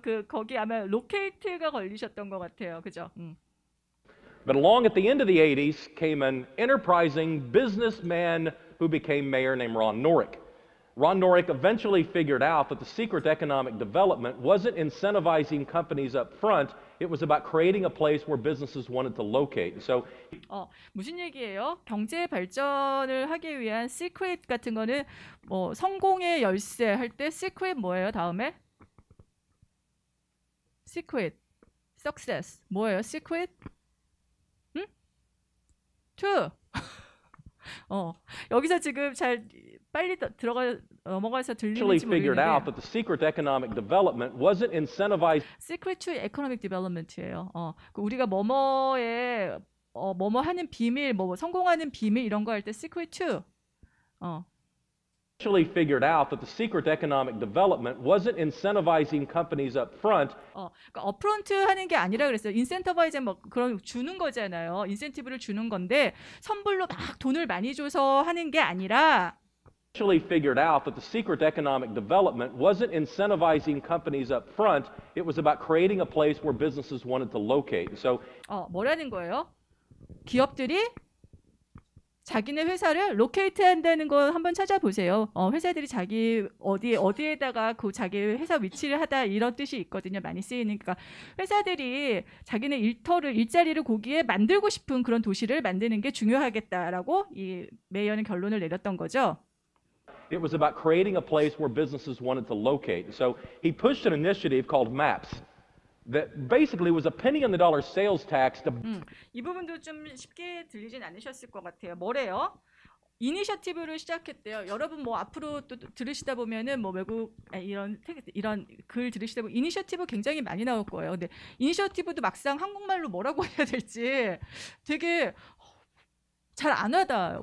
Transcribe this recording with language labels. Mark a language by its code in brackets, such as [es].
[ko] 그 거기 아마 로케이트가 걸리셨던 것 같아요. 그죠. [en] But along at the end of the 80s came an enterprising businessman who became mayor named Ron Norick. Ron Norick eventually figured out that the secret to economic development wasn't incentivizing companies up front. It was about creating a place where businesses wanted to locate. So, [ko] 무슨 얘기예요? 경제 발전을 하기 위한 secret 같은 거는 뭐 성공의 열쇠 할 때 secret 뭐예요? 다음에 secret, success 뭐예요? Secret? 여기서 지금 잘 빨리 들어가 넘어가서 들리는지 모르겠는데 [en] out that the secret economic development wasn't incentivized. Secret to economic development [ko] 이에요. 그 우리가 뭐뭐에 뭐뭐 하는 비밀, 뭐 성공하는 비밀 이런 거 할 때 [en] secret to. Actually figured out that the secret economic development wasn't incentivizing companies up front. [ko] 그러니까 업프론트 하는 게 아니라 그랬어요. 인센티브이즈 뭐 그런 주는 거잖아요. 인센티브를 주는 건데 선불로 막 돈을 많이 줘서 하는 게 아니라 [en] Actually figured out that the secret economic development wasn't incentivizing companies up front. It was about creating a place where businesses wanted to locate. So [ko] 뭐라는 거예요? 기업들이 자기네 회사를 로케이트 한다는 거 한번 찾아보세요. 회사들이 자기 어디에다가 그 자기 회사 위치를 하다 이런 뜻이 있거든요. 많이 쓰이니까 회사들이 자기네 일터를 일자리를 거기에 만들고 싶은 그런 도시를 만드는 게 중요하겠다라고 이 메이어는 결론을 내렸던 거죠. [en] It was about creating a place where businesses wanted to locate. So he pushed an initiative called MAPS. That basically was a penny on the dollar sales tax. [ko] 이 부분도 좀 쉽게 들리진 않으셨을 것 같아요. 뭐래요? 이니셔티브를 시작했대요. 여러분 뭐 앞으로 또 들으시다 보면은 뭐 외국 이런 글 들으시다 보면 이니셔티브 굉장히 많이 나올 거예요. 근데 이니셔티브도 막상 한국말로 뭐라고 해야 될지 되게 잘 안 와닿아요.